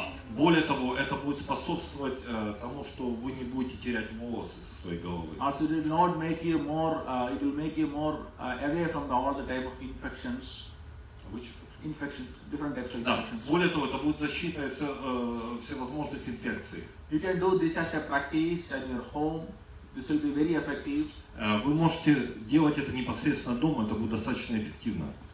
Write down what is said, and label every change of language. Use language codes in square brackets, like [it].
[ru] Более того, это будет способствовать тому, что вы не будете терять волосы со своей головы. [en] Also, it will not make you more. It will make you more away from all the type of infections. Infections, different types of infections. [ru] Да. Более того, это будет защита от всевозможных инфекций. [en] You can do this as a practice in your home. This will be very effective. [ru] Вы можете делать это непосредственно дома, это будет достаточно эффективно.